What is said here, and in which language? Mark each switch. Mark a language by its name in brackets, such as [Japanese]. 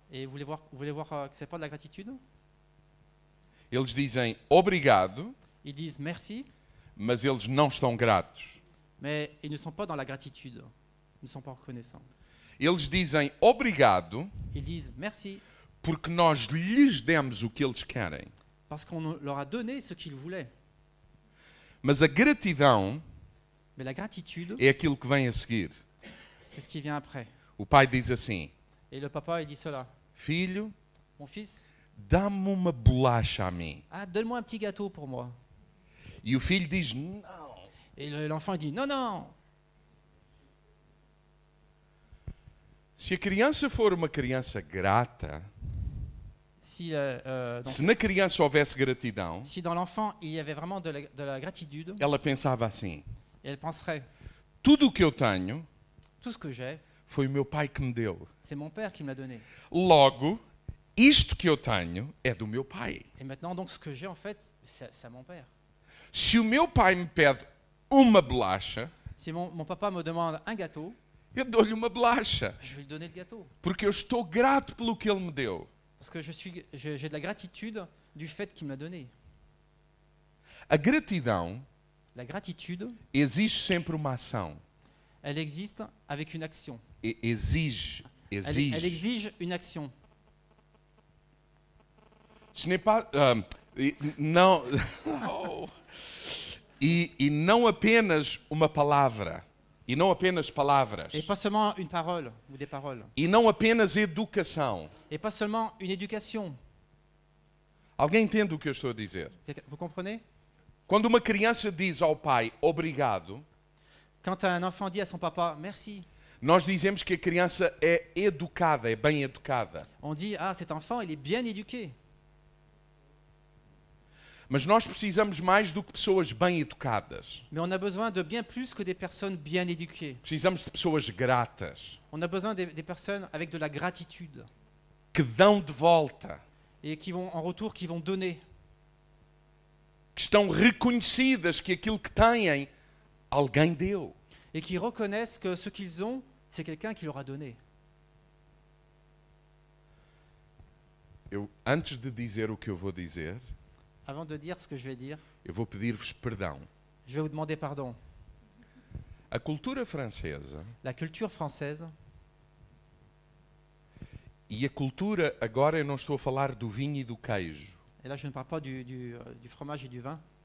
[French] Et vous voulez voir que c'est pas de la gratitude? [Portuguese] Eles dizem obrigado. [French] Ils disent merci. [Portuguese] Mas eles não estão gratos. [French] Mais ils ne sont pas dans la gratitude. Ils ne sont pas reconnaissants. [Portuguese] Eles dizem obrigado. [French] Ils disent merci. [Portuguese] Porque nós lhes demos o que eles querem. [French] Parce qu'on leur a donné ce qu'ils voulaient. [Portuguese] Mas a gratidão. [French] Mais la gratitude. [Portuguese] É aquilo que vem a seguir. [French] C'est ce qui vient après. [Portuguese] O pai diz assim. [French] Et le papa il dit cela. [Portuguese] Filho. [French] Mon fils. [Portuguese] Dá-me uma bolacha a mim. [French] Ah, donne-moi un petit gâteau pour moi. [Portuguese] E o filho diz não. [French] Et l'enfant dit non non. [Portuguese] Se a criança for uma criança grata, se na criança houvesse gratidão, [French] si dans l'enfant il y avait vraiment de la gratitude, [Portuguese] ela pensava assim, [French] elle penserait, [Portuguese] tudo o que eu tenho, [French] tout ce que j'ai, [Portuguese] foi o meu pai que me deu. [French] C'est mon père qui me l'a donné. [Portuguese] Logo, isto que eu tenho é do meu pai. [French] Et maintenant donc ce que j'ai en fait, c'est à mon père. [Portuguese] Se o meu pai me pede uma bolacha, [French] si mon papa me demande un gâteau, [Portuguese] eu dou-lhe uma bolacha. [French] Je vais lui donner le gâteau. [Portuguese] Porque eu estou grato pelo que ele me deu. [French] Parce que j'ai de la gratitude du fait qu'il me l'a donné. [Portuguese] A gratidão. [French] La gratitude. [Portuguese] Exige sempre uma ação. [French] Elle existe avec une action. [Portuguese] Exige. [French] Elle exige une action. Ce n'est pas. [Portuguese] Não. E não apenas uma palavra. E não apenas palavras. [French] Et pas seulement une parole ou des paroles. [Portuguese] E não apenas educação. [French] Et pas seulement une éducation. [Portuguese] Alguém entende o que eu estou a dizer? [French] Vous comprenez? [Portuguese] Quando uma criança diz ao pai obrigado, [French] quand un enfant dit à son papa merci, [Portuguese] nós dizemos que a criança é educada, é bem educada. [French] On dit ah cet enfant il est bien éduqué. [Portuguese] Mas nós precisamos mais do que pessoas bem educadas. [French] Mais on a besoin de bien plus que des personnes bien éduquées. [Portuguese] Precisamos de pessoas gratas. [French] On a besoin des personnes avec de la gratitude. [Portuguese] Que dão de volta. [French] Et qui vont en retour qui vont donner. [Portuguese] Que estão reconhecidas que aquilo que têm alguém deu. [French] Et qui reconnaissent que ce qu'ils ont, c'est quelqu'un qui leur a donné. [Portuguese] Eu antes de dizer o que eu vou dizer, [French] avant de dire ce que je vais dire, [Portuguese] eu vou pedir-vos perdão. [French] Je vais vous demander pardon. [Portuguese] A cultura francesa, [French] la culture française, [Portuguese] e a cultura, agora eu não estou a falar do vinho e do queijo. [French] Et là je ne parle pas du fromage et du vin.